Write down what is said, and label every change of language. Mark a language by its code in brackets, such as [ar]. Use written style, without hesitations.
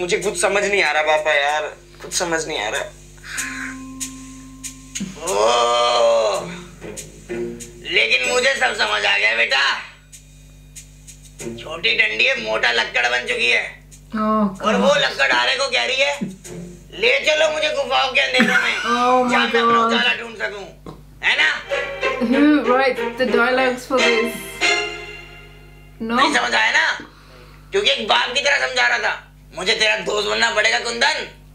[hi] मुझे कुछ समझ नहीं आ रहा पापा यार कुछ समझ नहीं आ रहा लेकिन मुझे सब समझ आ गया बेटा छोटी डंडी है मोटा लक्कड़ बन चुकी है और वो लक्कड़ आरे को कह रही है ले चलो मुझे गुफाओं के अंधेरे में जहां मैं अपना उजाला ढूंढ सकूं है ना [en] Who writes the dialogues for this? No. [hi] नहीं समझ आया ना क्योंकि एक बाप की तरह समझा रहा था मुझे तेरा दोस्त बनना पड़ेगा कुंदन